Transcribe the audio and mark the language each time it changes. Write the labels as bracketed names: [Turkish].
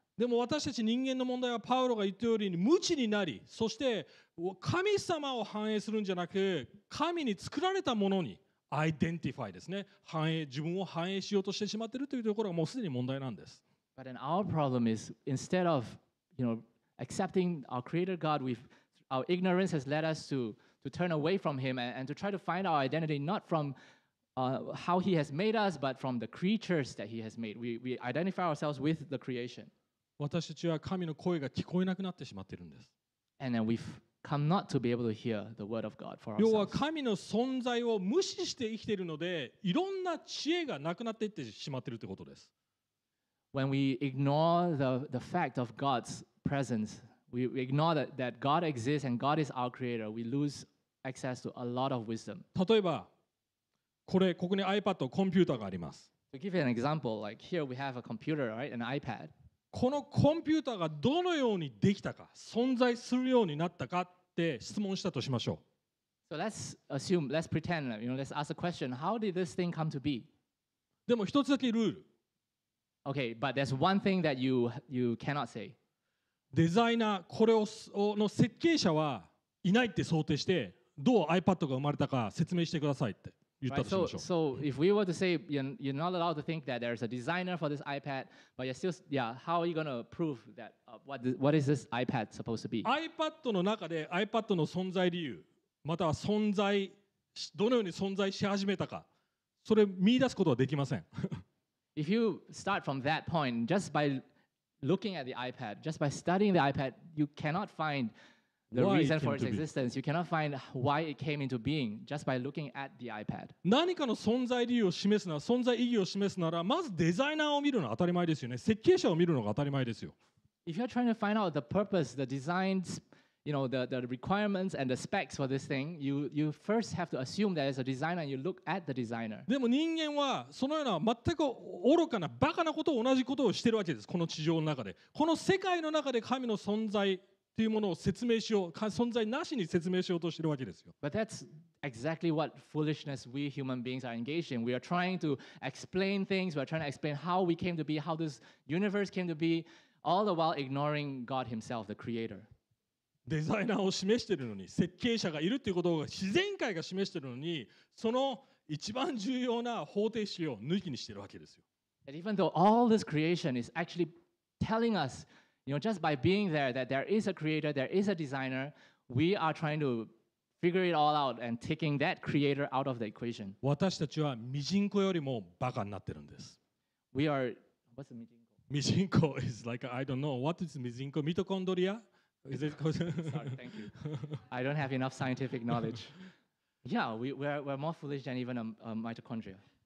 [Japanese] でも私たち人間の問題はパウロが言ったように無知になり、そして神様を反映するんじゃなく、神に作られたものに。 Identify ですね。反映、自分を反映しようとしてしまっているというところがもうすでに問題なんです。 [English] But then our problem is instead of, you know, accepting our Creator God, our ignorance has led us to turn away from Him and to try to find our identity not from how He has made us, but from the creatures that He has made. We identify ourselves with the creation. [Japanese] 私たちは神の声が聞こえなくなってしまっているんです。 [English] And then we've come not to be able to hear the word of God for ourselves. [Japanese] 要は神の存在を無視して生きているので、いろんな知恵がなくなっていってしまっているということです。 [English] When we ignore the fact of God's presence, we ignore that God exists and God is our creator, we lose access to a lot of wisdom. [Japanese] 例えば、これここに iPad、コンピューターがあります。 [English] To give you an example, like here we have a computer, right? An iPad. [Japanese] このコンピューターがどのようにできたか、存在するようになったかって質問したとしましょう。 [English] So let's assume, let's pretend, you know, let's ask a question. How did this thing come to be? [Japanese] でも一つだけルール。 [English] Okay, but there's one thing that you cannot say. [Japanese] デザイナー、これをの設計者はいないって想定して、どう iPad が生まれたか説明してくださいって。 [English] Right, so if we were to say you're not allowed to think that there's a designer for this iPad, but you're still, yeah, how are you going to prove that what is this iPad supposed to be? [Japanese] iPad の中で iPad の存在理由、または存在、どのように存在し始めたか、それ見出すことはできません。 [English] If you start from that point, just by looking at the iPad, just by studying the iPad, you cannot findThe reason for its existence, you cannot find why it came into being just by looking at the iPad. [Japanese] 何かの存在理由を示すなら、存在意義を示すなら、まずデザイナーを見るのは当たり前ですよね。設計者を見るのが当たり前ですよ。 [English] If you're trying to find out the purpose, the designs, you know, the requirements and the specs for this thing, you first have to assume that it's a designer and you look at the designer. [Japanese] でも人間はそのような全く愚かな、バカなことを同じことをしているわけです。この地上の中で。この世界の中で神の存在、というものを説明しよう、存在なしに説明しようとしているわけですよ。 [English] But that's exactly what foolishness we human beings are engaged in. We are trying to explain things. We are trying to explain how we came to be, how this universe came to be, all the while ignoring God Himself, the Creator. [Japanese] デザイナーを示しているのに、設計者がいるということを自然界が示しているのに、その一番重要な方程式を抜きにしているわけですよ。 [English] And even though all this creation is actually telling us. You know, just by being there, that there is a creator, there is a designer, we are trying to figure it all out and taking that creator out of the equation. [Japanese] 私たちはミジンコよりもバカになってるんです。 [English] We are, what's a ミジンコ? ミジンコ is like, I don't know, what is ミジンコ? ミトコンドリア?Is it? Sorry, thank you. I don't have enough scientific knowledge. Yeah, we're more foolish than even a mitochondria.